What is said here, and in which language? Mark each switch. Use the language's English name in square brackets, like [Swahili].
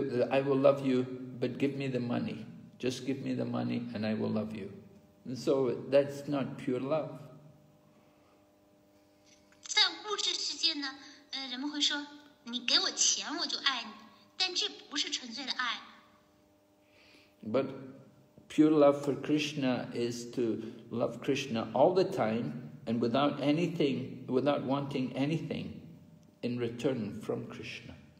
[English] I will love you, but give me the money. Just give me the money and I will love you. And so that's not pure love. [Chinese] 在物质世界呢，人们会说，你给我钱我就爱你，但这不是纯粹的爱。 [English] But pure love for Krishna is to love Krishna all the time and without anything, without wanting anything in return from Krishna.